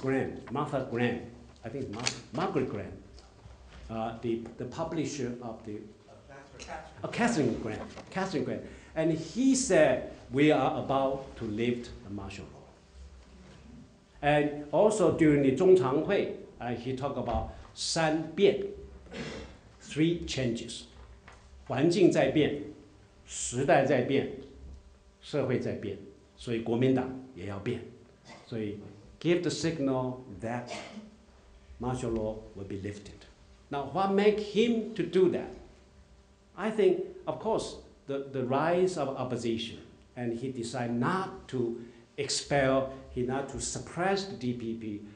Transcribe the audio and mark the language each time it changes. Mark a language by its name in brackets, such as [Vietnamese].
[English] Graham, Martha Graham, I think Margaret Graham, the publisher of the Catherine Graham, and he said, we are about to lift the martial law. And also during the Zhongchanghui, he talked about San Bian, three changes. [Chinese] 环境在变, 时代在变, 社会在变, 所以国民党也要变. [English] So he gave the signal that martial law will be lifted. Now, what make him to do that? I think, of course, the rise of opposition, and he decided not to expel, he not to suppress the DPP.